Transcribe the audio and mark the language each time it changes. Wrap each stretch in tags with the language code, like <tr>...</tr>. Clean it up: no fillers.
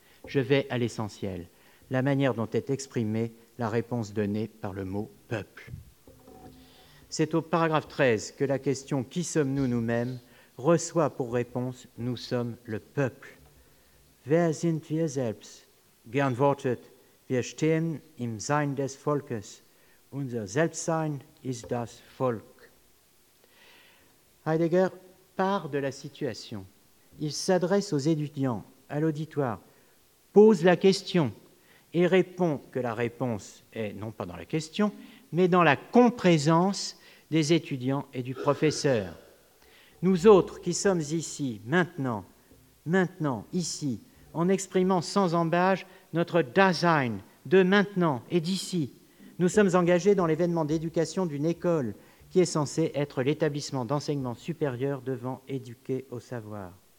<fr>Je vais à l'essentiel, la manière dont est exprimée la réponse donnée par le mot « peuple ». C'est au paragraphe 13 que la question « Qui sommes-nous nous-mêmes ?» reçoit pour réponse « Nous sommes le peuple ».«</fr> <de>Wer sind wir selbst ?» Geantwortet « Wir stehen im Sein des Volkes. Unser Selbstsein ist das Volk. »</de> <fr>Heidegger part de la situation. Il s'adresse aux étudiants, à l'auditoire, pose la question et répond que la réponse est non pas dans la question, mais dans la complaisance des étudiants et du professeur. Nous autres qui sommes ici, maintenant, ici, en exprimant sans embâge notre Dasein de maintenant et d'ici, nous sommes engagés dans l'événement d'éducation d'une école qui est censée être l'établissement d'enseignement supérieur devant éduquer au savoir.</fr>